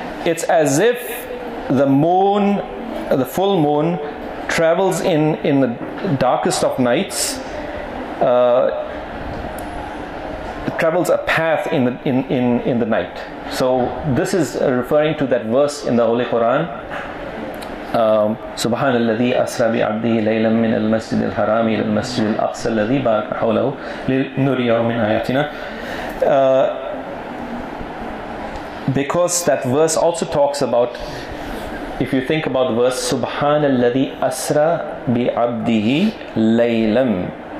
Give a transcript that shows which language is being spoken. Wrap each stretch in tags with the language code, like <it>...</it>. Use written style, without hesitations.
<en>It's as if the moon, the full moon, travels in the darkest of nights, travels a path in the night. So this is referring to that verse in the Holy Quran.</en> <ar>سبحان الذي أسرى بعبده ليلا من المسجد الحرام إلى المسجد الأقصى الذي بارك حوله لنريه من آياتنا.</ar> <en>Because that verse also talks about, if you think about the verse,</en> <ar>سبحان الذي أسرى بعبده ليلا.</ar>